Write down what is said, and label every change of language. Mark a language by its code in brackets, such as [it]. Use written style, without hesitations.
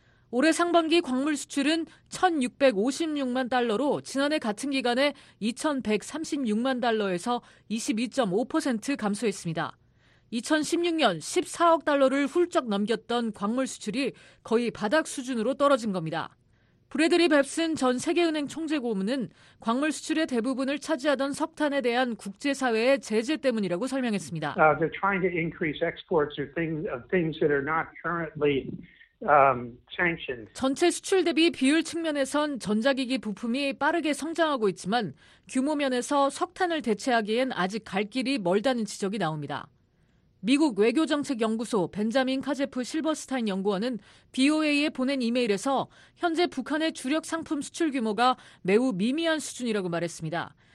[ko] 올해 상반기 광물 수출은 1,656만 달러로 지난해 같은 기간에 2,136만 달러에서 22.5% 감소했습니다. 2016년 14억 달러를 훌쩍 넘겼던 광물 수출이 거의 바닥 수준으로 떨어진 겁니다. 브래드리 밥슨 전 세계은행 총재 고문은 광물 수출의 대부분을 차지하던 석탄에 대한 국제사회의 제재 때문이라고 설명했습니다. [en] They're trying to increase exports of things, that are not currently sanctioned. [ko] 전체 수출 대비 비율 측면에선 전자기기 부품이 빠르게 성장하고 있지만 규모 면에서 석탄을 대체하기엔 아직 갈 길이 멀다는 지적이 나옵니다. 미국 외교정책연구소 벤자민 카제프 실버스타인 연구원은 BOA에 보낸 이메일에서 현재 북한의 주력 상품 수출 규모가 매우 미미한 수준이라고 말했습니다.